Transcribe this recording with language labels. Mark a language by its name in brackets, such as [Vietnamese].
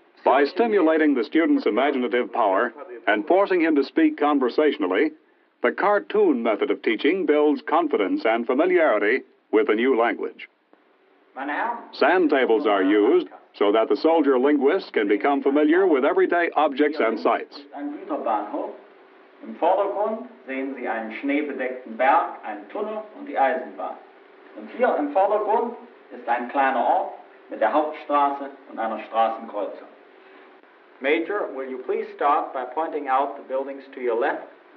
[English] By stimulating the student's imaginative power and forcing him to speak conversationally, the cartoon method of teaching builds confidence and familiarity with a new language. Sand tables are used so that the soldier linguist can become familiar with everyday objects and sights. [German] Ein guter Bahnhof. Im Vordergrund sehen Sie einen schneebedeckten Berg, einen Tunnel und die Eisenbahn. Und hier im Vordergrund ist ein kleiner Ort mit der Hauptstraße und einer Straßenkreuzung. [English] Major, will you please start by pointing out the buildings to your left?